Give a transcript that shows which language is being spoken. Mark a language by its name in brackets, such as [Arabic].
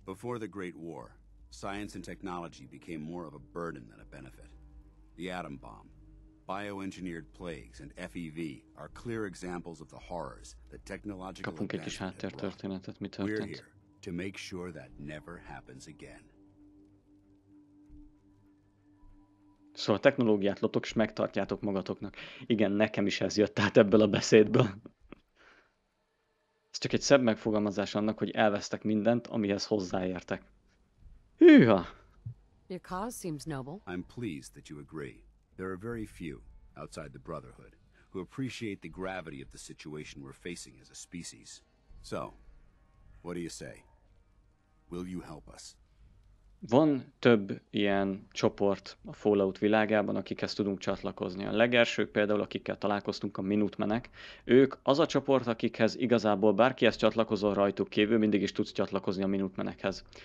[English] Before the Great War, science and technology became more of a burden than a benefit. The atom bomb, bioengineered plagues, and FEV are clear examples of the horrors that technological advancement. We're here to make sure that never happens again. [Hungarian] So a technológiát lotok és megtartjátok magatoknak. Igen, nekem is ez jött át ebből a beszédből. Ez csak egy szebb megfogalmazás annak, hogy elvesztek mindent, amihez hozzáértek. Hűha! [English] Your cause seems noble. I'm pleased that you agree. There are very few, outside the Brotherhood, who appreciate the gravity of the situation we're facing as a species. So, what do you say? Will you help us? [Hungarian] Van több ilyen csoport a Fallout világában, akikhez tudunk csatlakozni. A legelsők például, akikkel találkoztunk, a Minutemenek, ők az a csoport, akikhez igazából bárkihez csatlakozol rajtuk kívül, mindig is tudsz csatlakozni a Minutemenekhez.